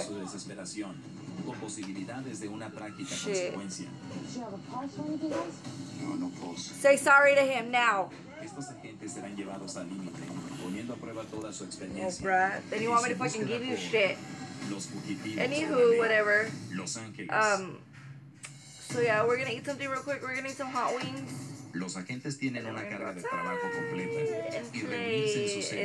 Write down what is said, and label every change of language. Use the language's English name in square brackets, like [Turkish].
[Spanish] Su desesperación, con posibilidades de una trágica consecuencia. [English] Say sorry to him now. [Spanish] Estos agentes serán llevados al límite, poniendo a prueba toda su experiencia. [English] Oh, bruh. Then you want me to fucking give you shit. Anywho, whatever. Los Angeles. So yeah, we're gonna eat something real quick. We're gonna eat some hot wings. [Spanish] Los agentes tienen una carga de trabajo completa.